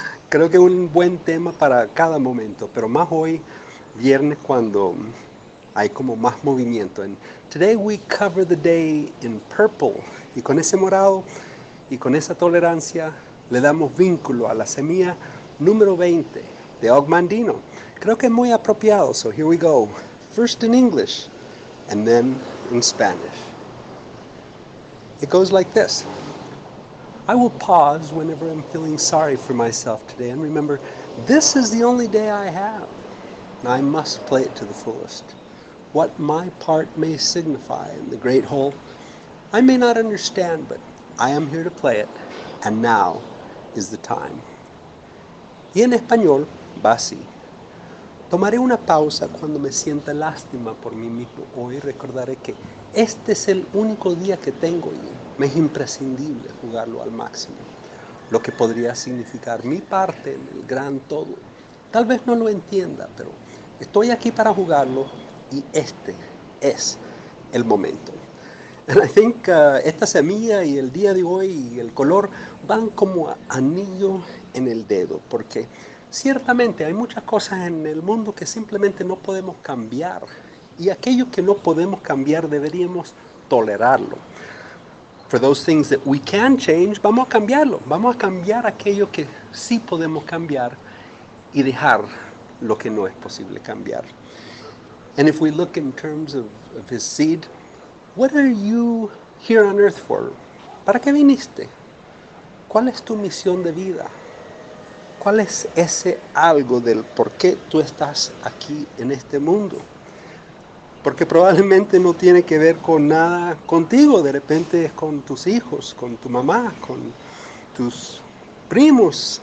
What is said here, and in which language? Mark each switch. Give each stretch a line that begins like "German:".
Spanish: Creo que es un buen tema para cada momento, pero más hoy, viernes, cuando hay como más movimiento.
English: And today we cover the day in purple.
Spanish: Y con ese morado y con esa tolerancia, le damos vínculo a la semilla número 20. De Ogmandino. Creo que es muy apropiado,
English: so here we go. First in English, and then in Spanish. It goes like this. I will pause whenever I'm feeling sorry for myself today, and remember, this is the only day I have, and I must play it to the fullest. What my part may signify in the great whole, I may not understand, but I am here to play it, and now is the time.
Spanish: Y en español, va así. Tomaré una pausa cuando me sienta lástima por mí mismo. Hoy recordaré que este es el único día que tengo y me es imprescindible jugarlo al máximo. Lo que podría significar mi parte en el gran todo. Tal vez no lo entienda, pero estoy aquí para jugarlo y este es el momento.
English: And I think
Spanish: esta semilla y el día de hoy y el color van como anillo en el dedo, porque ciertamente hay muchas cosas en el mundo que simplemente no podemos cambiar, y aquello que no podemos cambiar deberíamos tolerarlo.
English: For those things that we can change,
Spanish: vamos a cambiarlo. Vamos a cambiar aquello que sí podemos cambiar y dejar lo que no es posible cambiar.
English: And if we look in terms of his seed, what are you here on earth for?
Spanish: ¿Para qué viniste? ¿Cuál es tu misión de vida? ¿Cuál es ese algo del por qué tú estás aquí en este mundo? Porque probablemente no tiene que ver con nada contigo. De repente es con tus hijos, con tu mamá, con tus primos.